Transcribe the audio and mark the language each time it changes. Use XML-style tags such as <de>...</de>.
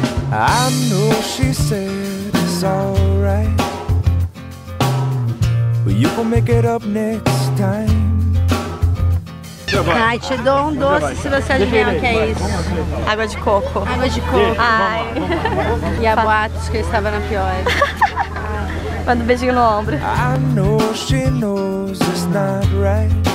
<en>I know she said it's alright. But you can make it up next time.</en> <pt>Ai, te dou um doce se você adivinhar o que é isso. Água de coco. Água de coco. Ai. E há boatos que eu estava na pior. Manda um beijinho no ombro.</pt> <en>I know she knows it's not right.</en>